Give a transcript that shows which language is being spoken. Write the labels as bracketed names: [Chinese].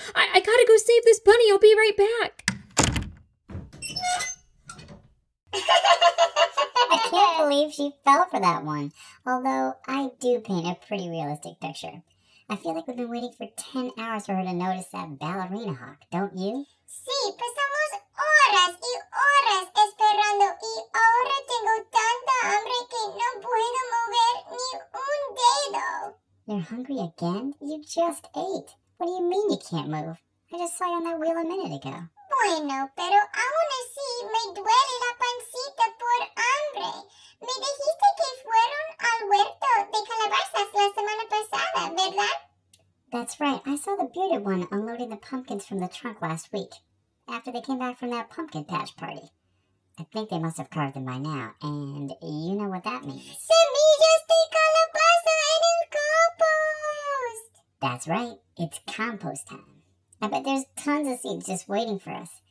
[English] I gotta go save this bunny. I'll be right back. I can't believe she fell for that one. Although, I do paint a pretty realistic picture. I feel like we've been waiting for 10 hours for her to notice that ballerina hawk, don't you? [Spanish] Sí, pasamos horas y horas esperando y ahora tengo tanta hambre que no puedo mover ni un dedo. [English] You're hungry again? You just ate. What do you mean you can't move? I just saw you on that wheel a minute ago. [Spanish] Bueno, pero aún así me duele la pancita por hambre. Me dijiste que fueron al huerto de calabazas la semana pasada, ¿verdad? [English] That's right. I saw the bearded one unloading the pumpkins from the trunk last week, after they came back from that pumpkin patch party. I think they must have carved them by now, and you know what that means. [Spanish] Semillas de calabaza en el compost! [English] That's right. It's compost time. I bet there's tons of seeds just waiting for us.